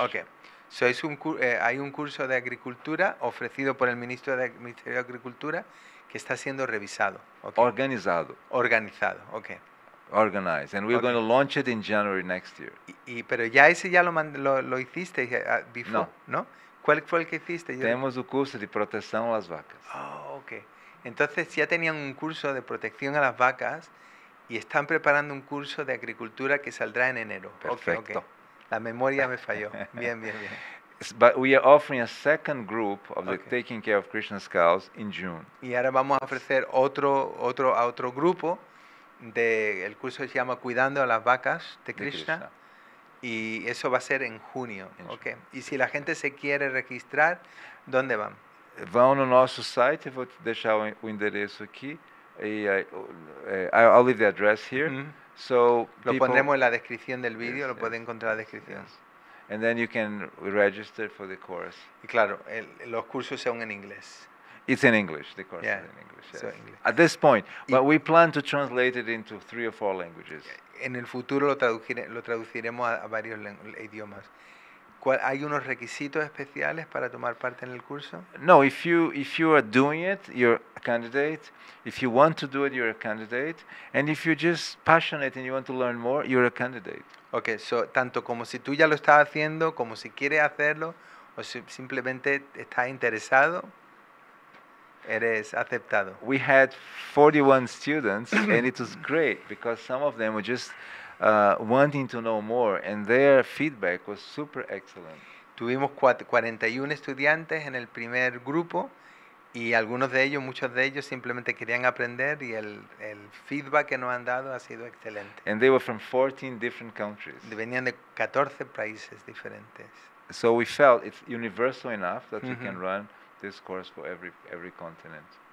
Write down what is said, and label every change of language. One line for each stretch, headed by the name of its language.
Spanish: Okay.
English: So it's
Spanish: hay un curso de agricultura ofrecido por el ministro de Ministerio de Agricultura que está siendo revisado. Okay. Organizado. Organizado, okay.
English: Organized. And we're okay. going to launch it in January next year.
Spanish: Pero ya ese ya lo hiciste
English: before,
Spanish: no? No? ¿Cuál fue el que hiciste? Tenemos un curso de protección a las vacas. Oh, okay. Entonces ya tenían un curso de protección a las vacas y están preparando un curso de agricultura que saldrá en enero. Perfecto. Okay, okay. La memoria me falló. Bien, bien, bien.
English: But we are offering a second group of the okay. taking care of Krishna's cows in June.
Spanish: Y ahora vamos a ofrecer otro grupo el curso se llama Cuidando a las vacas de Krishna. De Krishna. Y eso va a ser en junio. Okay. Y si la gente se quiere registrar, ¿dónde van? Van a nuestro site, voy a dejar el enderezo aquí.
English: I'll leave the address here. Mm-hmm. So
Spanish: lo pondremos en la descripción del vídeo,
English: yes,
Spanish: lo pueden encontrar en la descripción.
English: Yes. And then you can register for the course.
Spanish: Y claro, los cursos son en inglés.
English: It's in English, the course yeah. is in English, yes. So English. At this point, but we plan to translate it into 3 or 4 languages.
Spanish: En el futuro lo traduciremos a varios idiomas. ¿Hay unos requisitos especiales para tomar parte en el curso?
English: No, if you are doing it, you're a candidate. If you want to do it, you're a candidate. And if you're just passionate and you want to learn more, you're a candidate.
Spanish: Okay, so tanto como si tú ya lo estás haciendo, como si quieres hacerlo, o si simplemente estás interesado, Eres aceptado.
English: We had 41 students, and it was great because some of them were just wanting to know more, and their feedback was super excellent.
Spanish: Tuvimos 41 estudiantes en el primer grupo, y algunos de ellos, muchos de ellos, simplemente querían aprender, y el feedback que nos han dado ha sido excelente.
English: And they were from 14 different countries.
Spanish: Venían de 14 países diferentes.
English: So we felt it's universal enough that we can run this course for every continent.